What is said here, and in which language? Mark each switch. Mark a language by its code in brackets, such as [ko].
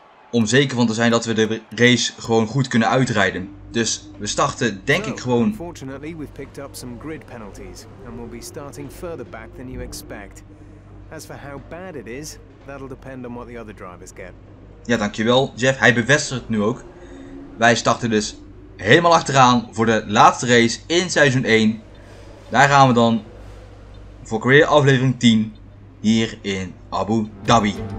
[nl] Om zeker van te zijn dat we de race gewoon goed kunnen uitrijden. Dus we starten denk ik gewoon. [en] Unfortunately, we've picked up some grid penalties and we'll be starting further back than you expect. As for how bad it is, that'll depend on what the other drivers get. [nl] Ja, dankjewel, Jeff. Hij bevestigt het nu ook. Wij starten dus helemaal achteraan voor de laatste race in seizoen 1. Daar gaan we dan voor Career aflevering 10 hier in Abu Dhabi.